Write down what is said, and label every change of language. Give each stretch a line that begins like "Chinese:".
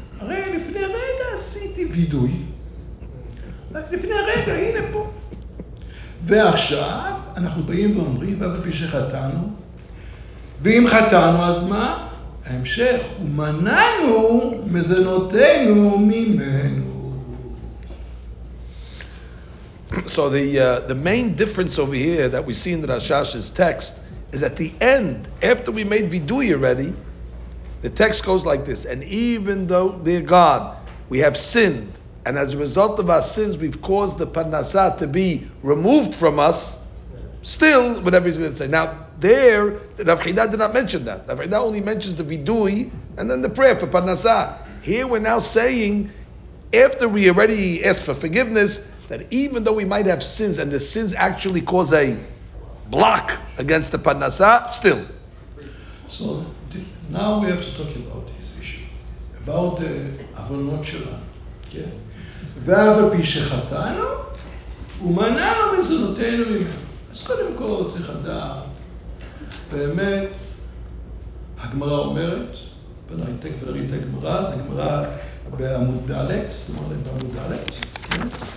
Hebrew: הרי לפני רגע עשיתי וידוי. לפני רגע, הנה פה. ועכשיו אנחנו באים ואומרים ואף על פי שחטאנו. ואם חטאנו אז מה? ההמשך, ומנענו מזונותינו ממנו.
English: So the main difference over here that we see in the Rashash's text is at the end, after we made vidui already, the text goes like this, and even though, dear God, we have sinned, and as a result of our sins we've caused the parnasa to be removed from us, still, whatever he's going to say. Now, there, Rav Chida did not mention that. Rav Chida only mentions the vidui and then the prayer for parnasa. Here we're now saying, after we already asked for forgiveness, that even though we might have sins and the sins actually cause a block against the parnasa, still. So now we have to talk about this issue, about the avonot shelanu.
Hebrew: ואף על פי שחטאנו, הוא מנע לו מזונותינו ממנו. אז קודם כל צריך לדעת, באמת, הגמרא אומרת, בנהי תכף נראה את הגמרא, זה גמרא בעמוד ד', תאמר לי בעמוד ד', כן?